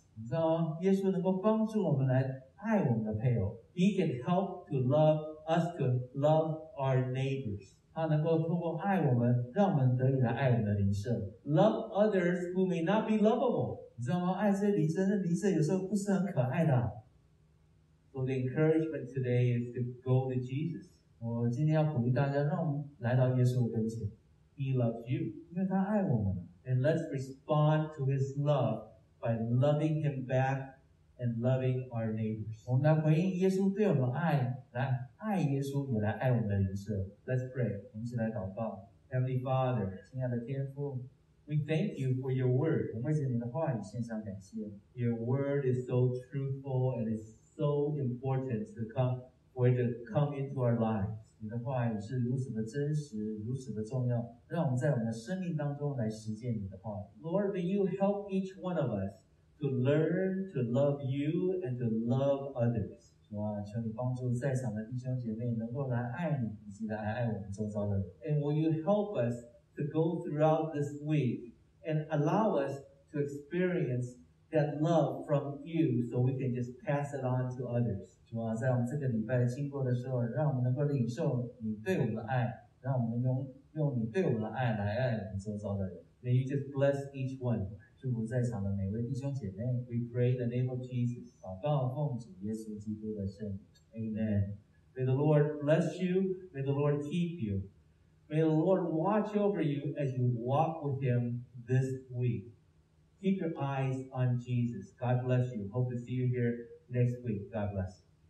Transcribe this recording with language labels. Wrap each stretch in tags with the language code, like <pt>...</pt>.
<zh>你知道吗？耶稣能够帮助我们来爱我们的配偶。</zh> <en>He can help to love us to love our neighbors.</en> <zh>他能够通过爱我们，让我们得以来爱我们的邻舍。</zh> <en>Love others who may not be lovable.</en> <zh>你知道吗？爱这些邻舍，那邻舍有时候不是很可爱的。</zh> <en>So the encouragement today is to go to Jesus.</en> <zh>我今天要鼓励大家，让我们来到耶稣的跟前。</zh> <en>He loves you.</en> <zh>因为他爱我们。</zh> <en>And let's respond to his love by loving him back and loving our neighbors.</en> <zh>我们来回应耶稣对我们的爱，来爱耶稣，也来爱我们的邻舍。</zh> <en>Let's pray.</en> <zh>我们一起来祷告。</zh> <en>Heavenly Father,</en> <zh>亲爱的天父。</zh> <en>We thank you for your word.</en> <zh>我们为着你的话语献上感谢。</zh> <en>Your word is so truthful and it's so important to come, for it to come into our lives.</en> <zh>你的话语是如此的真实，如此的重要，让我们在我们的生命当中来实践你的话。</zh> <en>Lord, may you help each one of us to learn to love you and to love others.</en> <zh>主啊，求你帮助在场的弟兄姐妹能够来爱你，以及来爱我们周遭的人。</zh> <en>And will you help us to go throughout this week and allow us to experience that love from you so we can just pass it on to others.</en> <zh>主啊，在我们这个礼拜经过的时候，让我们能够领受你对我们的爱，让我们 用你对我们的爱来爱我们周遭的人。</zh> <en>May you just bless each one.</en> <zh>祝福在场的每位弟兄姐妹。</zh> <en>We pray in the name of Jesus.</en> <zh>祷告奉主耶稣基督的圣名。</zh> <en>Amen. May the Lord bless you. May the Lord keep you. May the Lord watch over you as you walk with him this week. Keep your eyes on Jesus. God bless you. Hope to see you here next week. God bless you.</en>